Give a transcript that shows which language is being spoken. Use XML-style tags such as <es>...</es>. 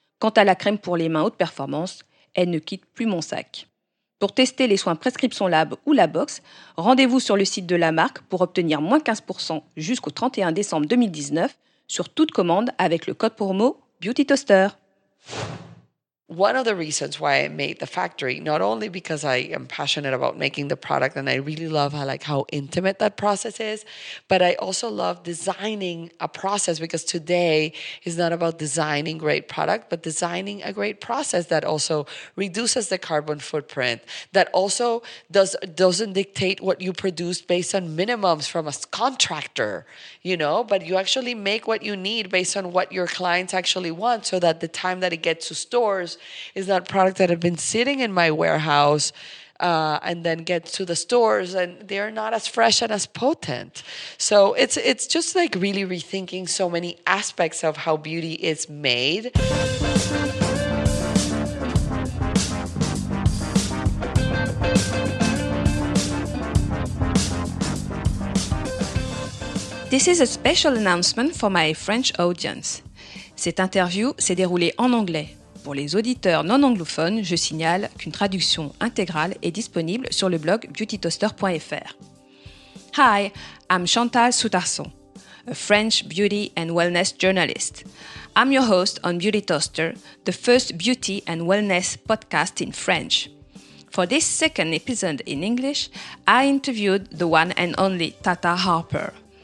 <fr>Quant à la crème pour les mains haute performance, elle ne quitte plus mon sac. Pour tester les soins Prescription Lab ou la box, rendez-vous sur le site de la marque pour obtenir moins 15% jusqu'au 31 décembre 2019 sur toute commande avec le code promo Beauty Toaster.</fr> <en>One of the reasons why I made the factory, not only because I am passionate about making the product and I really love how, like, how intimate that process is, but I also love designing a process because today is not about designing great product, but designing a great process that also reduces the carbon footprint, that also doesn't dictate what you produce based on minimums from a contractor, you know, but you actually make what you need based on what your clients actually want so that the time that it gets to stores is that product that have been sitting in my warehouse and then get to the stores and they're not as fresh and as potent. So it's just like really rethinking so many aspects of how beauty is made. This is a special announcement for my French audience.</en> <fr>Cette interview s'est déroulée en anglais. Pour les auditeurs non anglophones, je signale qu'une traduction intégrale est disponible sur le blog beautytoaster.fr.</fr> <en>Hi, I'm Chantal Soutarson, a French beauty and wellness journalist. I'm your host on Beauty Toaster, the first beauty and wellness podcast in French. For this second episode in English, I interviewed the one and only Tata Harper.</en>